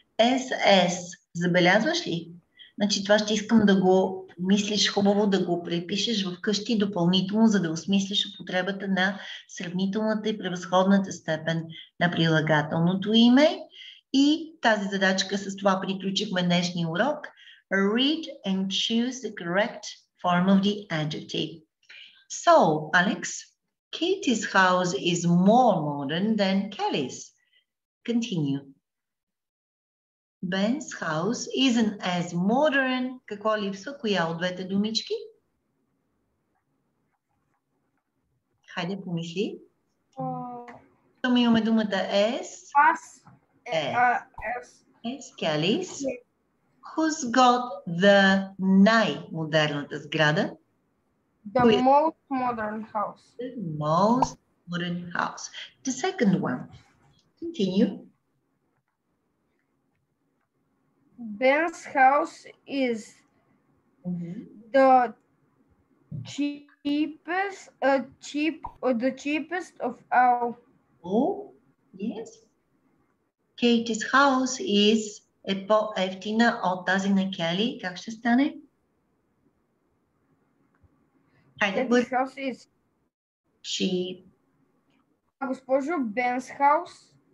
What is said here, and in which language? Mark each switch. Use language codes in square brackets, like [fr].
[en] As. [bg] Забелязваш ли? Значи това ще искам да го мислиш хубаво, да го препишеш вкъщи допълнително, за да осмислиш употребата на сравнителната и превъзходната степен на прилагателното име. И тази задачка с това приключихме днешния урок. [en] Read and choose the correct form of the adjective. So, Alex, Katie's house is more modern than Kelly's. Continue. Ben's house isn't as modern. [bg] Какво липсва? Коя от двете думички? Хайде, помисли. Там имаме думата as. [en] As. Kelly's. Who's got the [bg] най-модерната сграда? [en] The With most modern house. The most modern house. The second one. Continue. Ben's house is the cheapest, the cheapest of all. Oh, yes. Katie's house is [bg] е по-евтина от тази на Кели. Как ще стане? Хайде, [en] Katie's house is cheap. [bg] А госпожо, Ben's house?